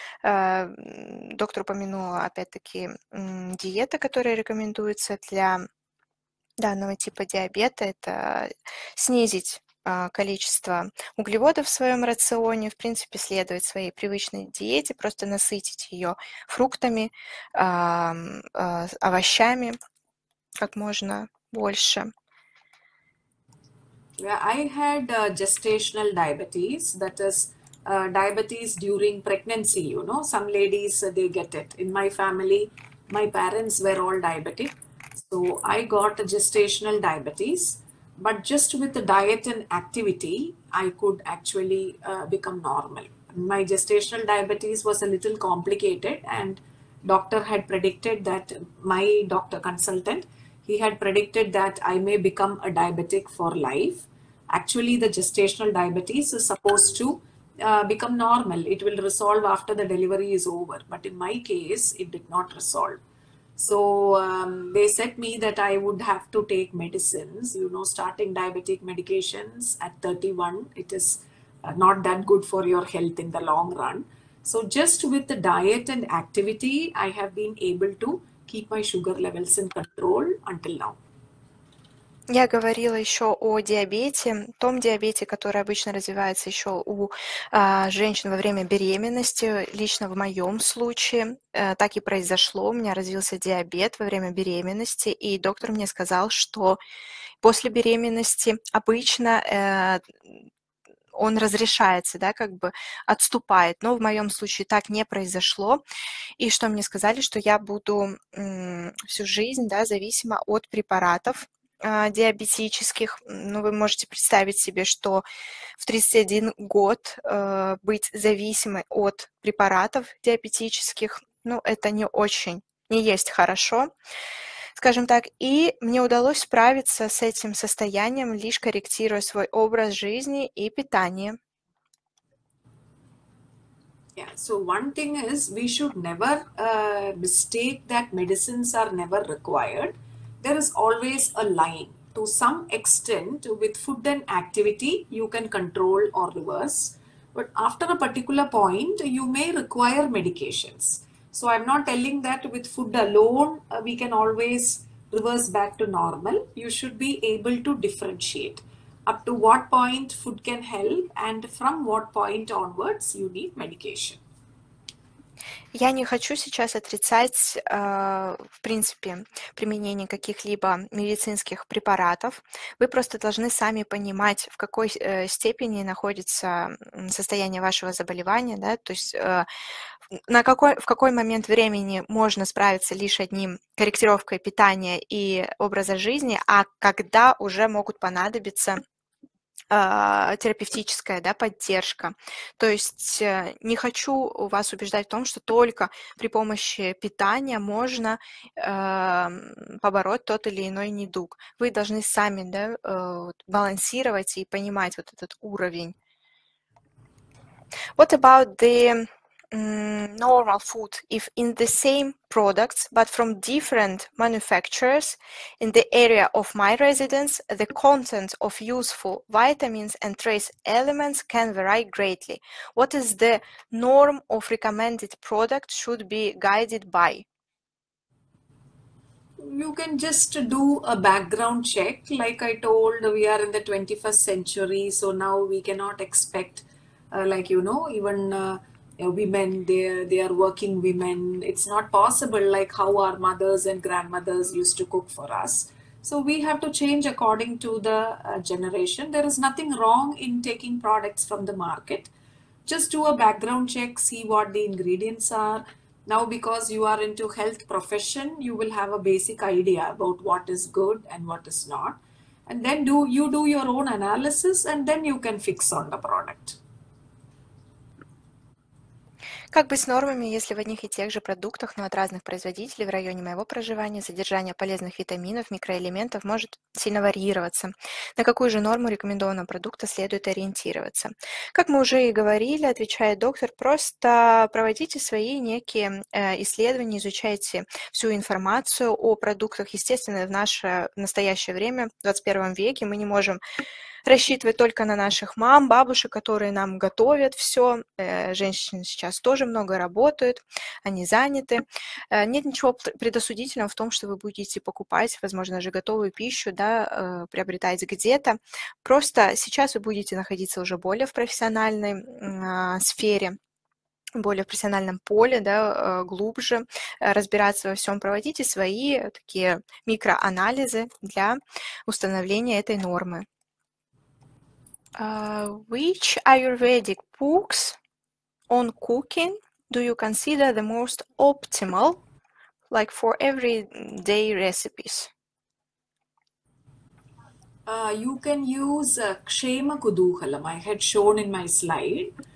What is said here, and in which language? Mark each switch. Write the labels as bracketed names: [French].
[Russian] Доктор упомянула, опять-таки, диета, которая рекомендуется для данного типа диабета, это снизить количество углеводов в своем рационе, в принципе, следовать своей привычной диете, просто насытить ее фруктами, овощами как можно больше. [English] I had gestational diabetes, that is diabetes during pregnancy, you know, some ladies, they get it. In my family, my parents were all diabetic. So I got gestational diabetes, but just with the diet and activity, I could actually become normal. My gestational diabetes was a little complicated and doctor had predicted that my doctor consultant, he had predicted that I may become a diabetic for life. Actually, the gestational diabetes is supposed to become normal. It will resolve after the delivery is over. But in my case, it did not resolve. So they said me that I would have to take medicines, you know, starting diabetic medications at 31. It is not that good for your health in the long run. So just with the diet and activity, I have been able to keep my sugar levels in control until now. [Russian] Я говорила еще о диабете, том диабете, который обычно развивается еще у женщин во время беременности. Лично в моем случае так и произошло. У меня развился диабет во время беременности, и доктор мне сказал, что после беременности обычно он разрешается, да, как бы отступает. Но в моем случае так не произошло. И что мне сказали, что я буду всю жизнь, да, зависима от препаратов диабетических. Ну, вы можете представить себе, что в 31 год быть зависимой от препаратов диабетических, ну, это не очень, не есть хорошо, скажем так. И мне удалось справиться с этим состоянием, лишь корректируя свой образ жизни и питание. [English] Yeah, so one thing is, we should never mistake that medicines are never required. There is always a line. To some extent, with food and activity, you can control or reverse. But after a particular point, you may require medications. So I'm not telling that with food alone we can always reverse back to normal. You should be able to differentiate up to what point food can help and from what point onwards you need medication. [Russian] Я не хочу сейчас отрицать, в принципе, применение каких-либо медицинских препаратов. Вы просто должны сами понимать, в какой степени находится состояние вашего заболевания, да, то есть в какой момент времени можно справиться лишь одним корректировкой питания и образа жизни, а когда уже могут понадобиться терапевтическая, да, поддержка. То есть не хочу вас убеждать в том, что только при помощи питания можно побороть тот или иной недуг. Вы должны сами, да, балансировать и понимать вот этот уровень. [English] What about the normal food? If in the same products, but from different manufacturers, in the area of my residence, the content of useful vitamins and trace elements can vary greatly. What is the norm of recommended product should be guided by? You can just do a background check. Like I told, we are in the 21st century, so now we cannot expect, women, they are working women. It's not possible like how our mothers and grandmothers used to cook for us. So we have to change according to the generation. There is nothing wrong in taking products from the market. Just do a background check, see what the ingredients are. Now, because you are into health profession, you will have a basic idea about what is good and what is not. And then you do your own analysis and then you can fix on the product. [Russian] Как быть с нормами, если в одних и тех же продуктах, но от разных производителей в районе моего проживания содержание полезных витаминов, микроэлементов может сильно варьироваться? На какую же норму рекомендованного продукта следует ориентироваться? Как мы уже и говорили, отвечает доктор, просто проводите свои некие исследования, изучайте всю информацию о продуктах. Естественно, в наше настоящее время, в 21 веке, мы не можем рассчитывать только на наших мам, бабушек, которые нам готовят все. Женщины сейчас тоже много работают, они заняты. Нет ничего предосудительного в том, что вы будете покупать, возможно же, готовую пищу, да, приобретать где-то. Просто сейчас вы будете находиться уже более в профессиональной сфере, более в профессиональном поле, да, глубже разбираться во всем, проводите свои такие микроанализы для установления этой нормы. [English] Which Ayurvedic books on cooking do you consider the most optimal, like for everyday recipes? You can use Kshema Kuduhalam. I had shown in my slide.